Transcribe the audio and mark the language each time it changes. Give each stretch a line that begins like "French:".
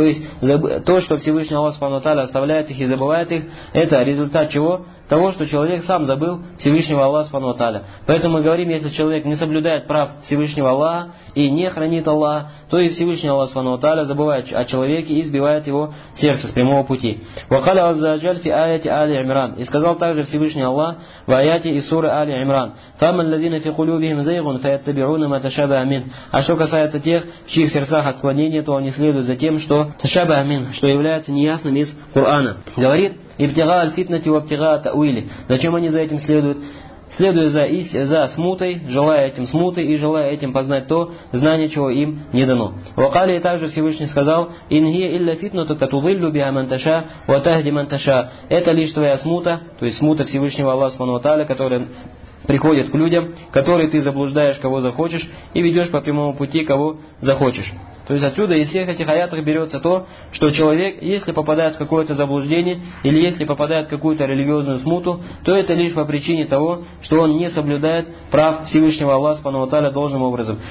Russian: То есть то, что Всевышний Аллах Субхану ва Тааля оставляет их и забывает их, это результат чего? Того, что человек сам забыл Всевышнего Аллаха Субхану ва Тааля. Поэтому мы говорим, если человек не соблюдает прав Всевышнего Аллаха и не хранит Аллаха, то и Всевышний Аллах Субхану ва Тааля забывает о человеке и сбивает его сердце с прямого пути.
Arabic: وقال عز وجل في آية آل عمران,
Russian: и сказал также Всевышний Аллах в аяте из суры Али Имран,
Arabic: فأما الذين في قلوبهم زيغ فيتبعون ما تشابه منه.
Russian: А что касается тех, в чьих сердцах отклонение, то они следуют за тем, что
Arabic: تشابه منه,
Russian: что является неясным из Корана.
Arabic: Говорит, ابتغاء الفتنه وابتغاء التاويل.
Russian: Зачем они за этим следуют? Следуя за смутой, желая этим смуты и желая этим познать то, знание, чего им не дано.
Arabic: وقال,
Russian: и также Всевышний сказал,
Arabic: إن هي إلا فتنتك تضل بها من تشاء وتهدي من تشاء.
Russian: Это лишь твоя смута, то есть смута Всевышнего Аллаха Субхану ва Тааля, которая приходит к людям, которые ты заблуждаешь, кого захочешь, и ведешь по прямому пути, кого захочешь. То есть отсюда из всех этих аятов берется то, что человек, если попадает в какое-то заблуждение, или если попадает в какую-то религиозную смуту, то это лишь по причине того, что он не соблюдает прав Всевышнего Аллаха Субхану ва Тааля должным образом.